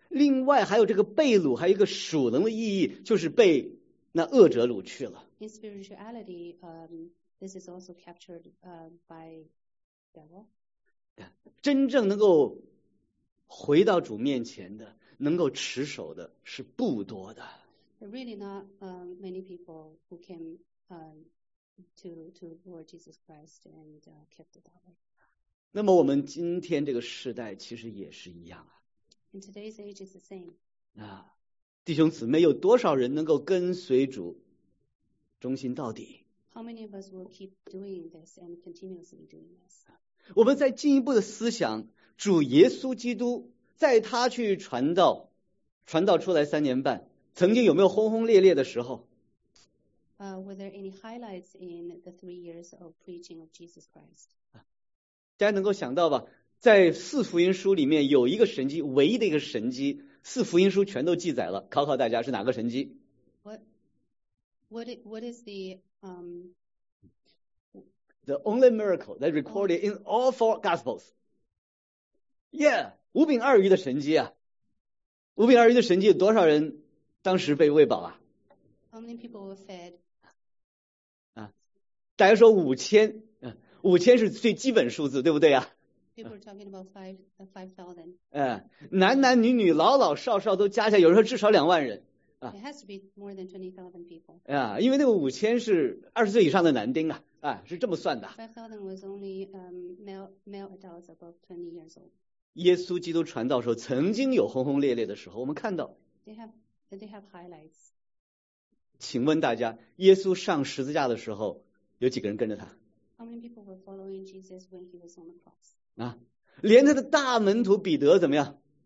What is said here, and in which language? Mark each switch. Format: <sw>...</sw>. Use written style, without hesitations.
<zh>另外还有这个被掳，还有一个属灵的意义，就是被那恶者掳去了。</zh> <en>In spirituality, this is also captured by devil. Yeah.</en> <zh>真正能够回到主面前的，能够持守的是不多的。</zh> <en>Really not many people who came to Lord Jesus Christ and kept it that way.</en> <zh>那么我们今天这个时代其实也是一样啊。</zh> <en>In today's age, it's the same.</en> <zh>弟兄姊妹，有多少人能够跟随主，忠心到底</zh> <en>？How many of us will keep doing this and continuously doing this?</en> <zh>我们再进一步的思想，主耶稣基督在他去传道出来三年半，曾经有没有轰轰烈烈的时候</zh> <en>？Were there any highlights in the 3 years of preaching of Jesus Christ?</en> <zh>大家能够想到吧？在四福音书里面有一个神迹，唯一的一个神迹，四福音书全都记载了。考考大家是哪个神迹</zh> <en>？What is the only miracle that recorded in all four gospels?</en> <zh>Yeah, 五饼二鱼的神迹啊！五饼二鱼的神迹，多少人当时被喂饱啊</zh> <en>？How many people were fed?</en> <zh>大家说五千，五千是最基本数字，对不对啊？</zh> <en>People are talking about five thousand.</en> <zh>男男女女、老老少少都加起来，有时候至少20,000人。</zh> <en>It has to be more than 20,000 people.</en> <zh>因为那个五千是20岁以上的男丁啊，是这么算的。</zh> <en>5,000 was only male adults above 20 years old.</en> <zh>耶稣基督传道时候，曾经有轰轰烈烈的时候，我们看到。</zh> <en>They have highlights.</en> <zh>请问大家，耶稣上十字架的时候，有几个人跟着他</zh> <en>？How many people were following Jesus when he was on the cross?</en> <zh>连他的大门徒彼得怎么样？</zh>